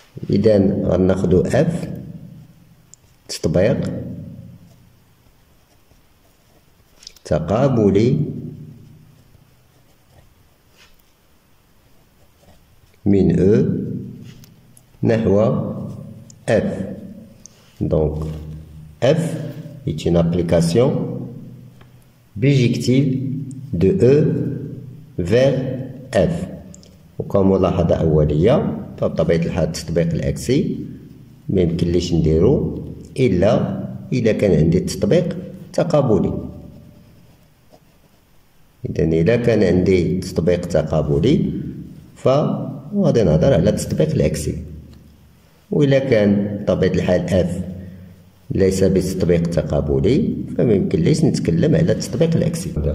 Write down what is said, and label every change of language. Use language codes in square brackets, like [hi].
[ar] إذن غناخدو F تطبيق تقابلي من E نحو F. [fr] دونك F est une application bijective de E vers F. [ar] وكما لاحظ أوليا فبطبيعة الحال التطبيق العكسي ما يمكنليش نديرو إلا إذا كان عندي التطبيق تقابلي. إذا إذا كان عندي التطبيق تقابلي فغادي نهضر على التطبيق العكسي، وإذا كان بطبيعة الحال F ليس بتطبيق تقابلي فممكن ليش نتكلم على التطبيق العكسي.